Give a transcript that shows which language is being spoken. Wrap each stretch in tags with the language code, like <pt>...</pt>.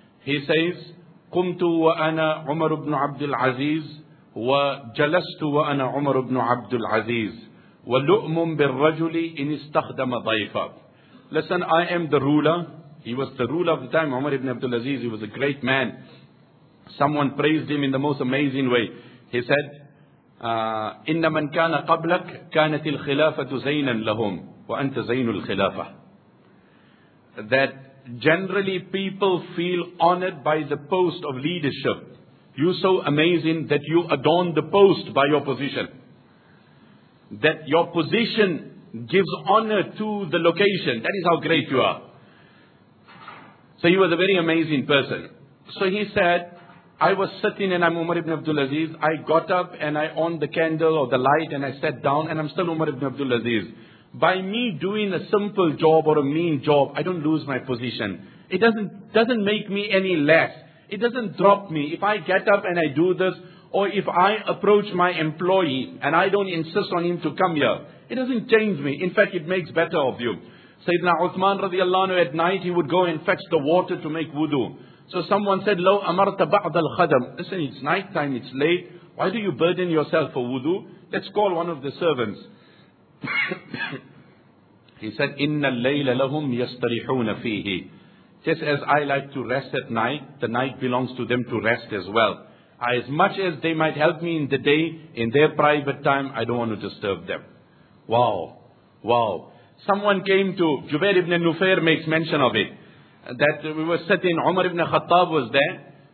<en>He says,</en> <ar>قُمْتُ وَأَنَا عُمَرُ بْنُ عَبْدُ الْعَزِيزِ وَجَلَسْتُ وَأَنَا عُمَرُ بْنُ عَبْدُ الْعَزِيزِ وَلُؤْمُمْ بِالرَّجُلِ إِنِ اسْتَخْدَمَ ضَيْفًا.</ar> <en>Listen, I am the ruler. He was the ruler of the time, Umar ibn Abdul Aziz. He was a great man. Someone praised him in the most amazing way. He said,</en> <ar>إِنَّ مَنْ كَانَ قَبْلَكَ كَانَتِ الْخِلَافَةُ زَيْنًا لَهُمْ وَأَنْتَ زَيْنُ الْخِلَافَةِ.</ar> <en>That generally people feel honored by the post of leadership. You're so amazing that you adorn the post by your position. That your position gives honor to the location. That is how great you are. So he was a very amazing person. So he said, I was sitting and I'm Umar ibn Abdul Aziz. I got up and I on the candle or the light and I sat down and I'm still Umar ibn Abdul Aziz. By me doing a simple job or a mean job, I don't lose my position. It doesn't make me any less. It doesn't drop me. If I get up and I do this, or if I approach my employee and I don't insist on him to come here, it doesn't change me. In fact, it makes better of you. Sayyidina Uthman radiallahu anhu, at night he would go and fetch the water to make wudu. So someone said,</en> <ar>لو أمرت بعض الخدم.</ar> <en>Listen, it's night time, it's late. Why do you burden yourself for wudu? Let's call one of the servants. He said,</en> <ar>إِنَّ اللَّيْلَ لَهُمْ يَسْتَرِحُونَ فِيهِ.</ar> <en>Just as I like to rest at night, the night belongs to them to rest as well. As much as they might help me in the day, in their private time, I don't want to disturb them. Wow. Wow. Someone came to, Jubair ibn Nufair makes mention of it, that we were sitting, Umar ibn Khattab was there.</en>